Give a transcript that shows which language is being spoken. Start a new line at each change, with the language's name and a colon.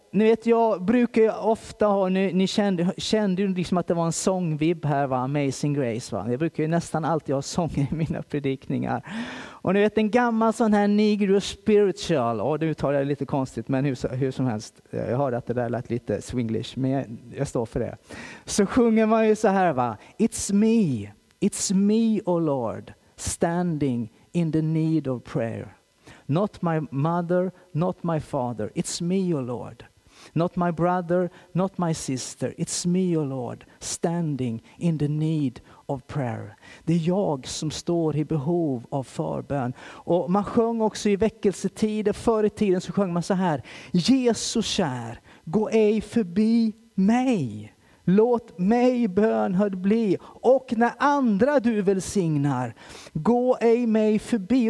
Swedish: Ni vet, jag brukar ofta ha, ni kände ju liksom att det var en sångvibb här, va? Amazing Grace, va? Jag brukar ju nästan alltid ha sång i mina predikningar. Och ni vet, en gammal sån här Negro spiritual, och det uttalar jag lite konstigt, men hur som helst, jag hörde att det där lät lite swinglish, men jag står för det. Så sjunger man ju så här, va?
English: It's me, oh Lord, standing in the need of prayer. Not my mother, not my father, it's me, oh Lord. Not my brother, not my sister, it's me, oh Lord, standing in the need of prayer.
Swedish: Det är jag som står i behov av förbön. Och man sjöng också i väckelsetider, förr i tiden så sjöng man så här: Jesus kär, gå ej förbi mig. Låt mig bönhörd bli, och när andra du välsignar, gå ej mig förbi.